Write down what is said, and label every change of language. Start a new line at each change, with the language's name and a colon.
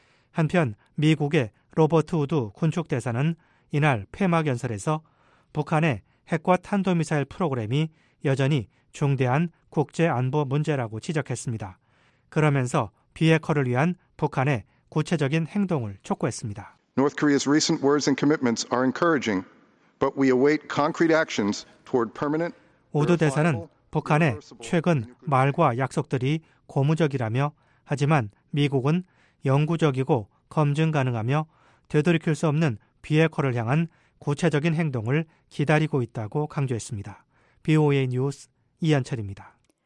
Korean: 한편 미국의 로버트 우드 군축대사는 이날 폐막연설에서 북한의 핵과 탄도미사일 프로그램이 여전히 중대한 국제안보 문제라고 지적했습니다. 그러면서 비핵화를 위한 북한의 구체적인 행동을 촉구했습니다.
English: North Korea's recent words and commitments are encouraging, but we await concrete actions toward permanent.
Korean: 우드 대사는 북한의 최근 말과 약속들이 고무적이라며, 하지만 미국은 영구적이고 검증 가능하며 되돌이킬 수 없는 비핵화를 향한 구체적인 행동을 기다리고 있다고 강조했습니다. BOA 뉴스 이한철입니다.